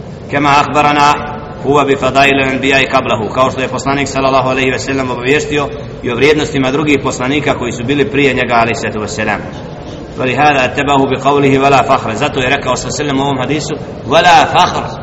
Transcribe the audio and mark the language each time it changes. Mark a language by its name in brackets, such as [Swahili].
[Arabic] كما أخبرنا هو بفضائل الأنبياء قبله [Bosnian] kao što je poslanik sallallahu alejhi ve sellem obavijestio i o vrijednostima drugih poslanika koji su bili prije njega alejhi salatu ve selam. [Arabic] ولهذا اتبعه بقوله ولا فخر. [Bosnian] Zato je rekao sallallahu alejhi ve sellem u ovom hadisu [Arabic] ولا فخر.